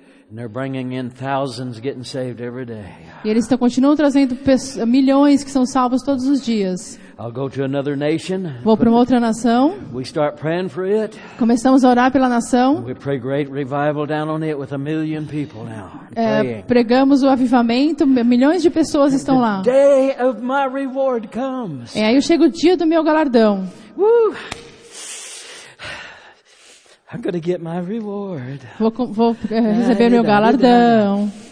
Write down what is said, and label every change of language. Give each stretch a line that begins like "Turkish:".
English: And they're bringing in thousands getting saved every day.
Portuguese: E eles estão continuando trazendo milhões que são salvos todos os dias.
English: I'll go to another nation.
Portuguese: Vou para uma outra nação.
English: We start praying for it.
Portuguese: Começamos a orar pela nação.
English: We pray great revival down on it with a million people now.
Portuguese: Pregamos o avivamento, milhões de pessoas estão lá.
English: The day of my reward comes.
Portuguese: E aí chega o dia do meu galardão.
English: I'm going to get my reward.
Portuguese: Vou receber meu galardão.